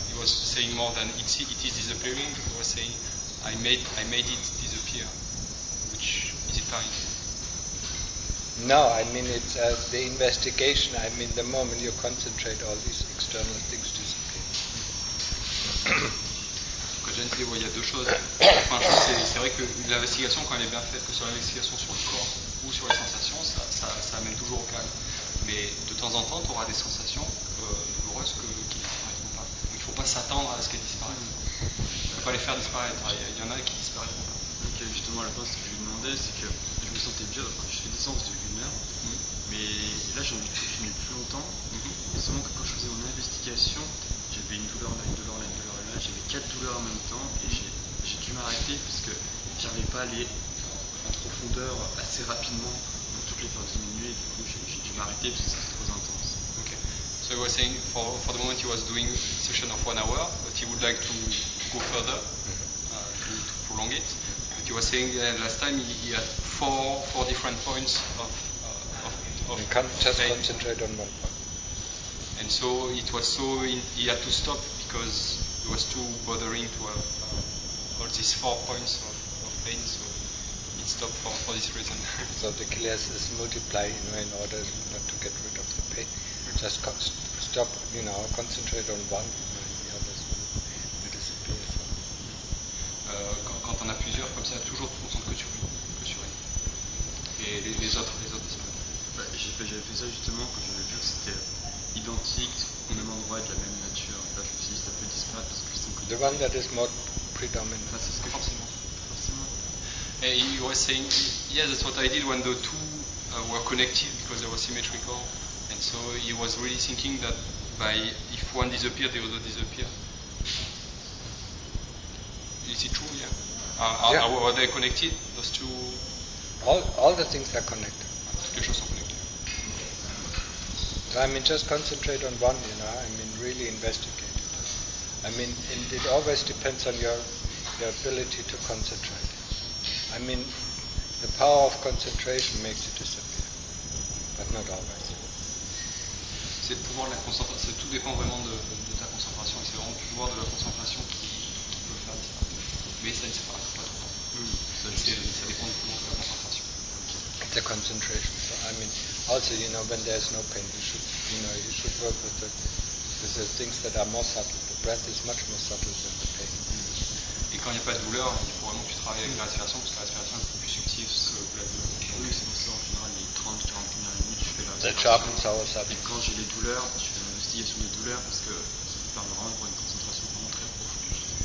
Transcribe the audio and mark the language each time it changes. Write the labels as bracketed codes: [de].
[en] He was saying more than it is disappearing. He was saying, I made it disappear. Which is it fine? No, I mean it's the investigation. I mean the moment you concentrate, all these external things disappear. [fr] Quand je disais, il y a deux choses. Enfin, c'est vrai que l'investigation, quand elle est bien faite, que ce soit l'investigation sur le corps ou sur les sensations, ça amène toujours au calme. Mais de temps en temps, tu auras des sensations douloureuses qui ne disparaîtront pas. Donc, il ne faut pas s'attendre à ce qu'elles disparaissent. Il ne faut pas les faire disparaître. Il y en a qui ne disparaîtront pas. Donc, justement, à la fin, ce que je lui demandais, c'est que je me sentais bien. Enfin, je faisais des séances depuis une heure. Mais là, j'ai envie de continuer plus longtemps. Et seulement que quand je faisais mon investigation, j'avais une douleur, là, j'avais 4 douleurs en même temps. Et j'ai dû m'arrêter parce que je n'arrivais pas à aller en profondeur assez rapidement. [en] Okay. So he was saying for the moment he was doing a session of 1 hour, but he would like to go further, to prolong it. But he was saying last time he had four different points of you can't just concentrate on one point. And so it was so he had to stop because it was too bothering to have all these 4 points of pain. So stop for this reason. So the killer is multiplying, you know, in order not to get rid of the pain. Just stop, you know, concentrate on one, and the others will disappear. So. [fr] Quand on a plusieurs, comme ça, toujours te concentre que sur une. Et les autres disparaissent. Bah, j'ai fait ça justement quand j'avais vu que c'était identique, au même endroit, de la même nature. Là, je me suis dit, ça peut disparaître parce que c'est [en] the one that is more predominant. [fr] Ah, c'est ce que forcément. [en] And he was saying, yeah, that's what I did when the two were connected because they were symmetrical. And so he was really thinking that if one disappeared, the other disappeared. Is it true? Yeah. Are they connected, those two? All the things are connected. [fr] Toutes les choses sont connectées. [en] So I mean, just concentrate on one, you know. I mean, really investigate. I mean, and it always depends on your ability to concentrate. I mean, the power of concentration makes it disappear, but not always. [fr] C'est le pouvoir de la concentration, c'est tout dépend vraiment de ta concentration, et c'est vraiment le pouvoir de la concentration qui peut faire disparaître. Mais ça ne disparaît pas tout le temps. Ça dépend du pouvoir de la concentration. [en] The concentration. So, I mean, also, you know, when there's no pain, you should work with the things that are more subtle. The breath is much more subtle than the pain. [fr] Et quand il n'y a pas de douleur, il faut vraiment que tu travailles avec la respiration, parce que la respiration est plus subtile que la douleur. Oui, c'est pour ça, en général, les 30-40 premières minutes, je fais la [en] respiration. That sharpens our [fr] subtle. Et quand j'ai les douleurs, je fais l'investigation des douleurs, parce que ça me permet vraiment d'avoir une concentration vraiment très profonde.